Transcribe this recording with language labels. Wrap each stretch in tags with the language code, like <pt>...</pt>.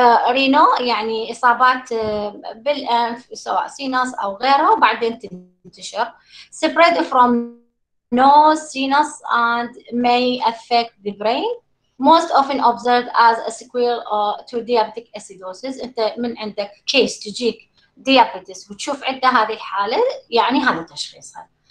<ar>رينو يعني اصابات بالانف سواء سينس او غيره، وبعدين تنتشر</ar> <en>Spread from nose sinus and may affect the brain. Most often observed as a sequel to diabetic acidosis.</en> <ar>انت من عندك كيس تجيك diabetes وتشوف عنده هذه الحالة، يعني هذا تشخيصها.</ar>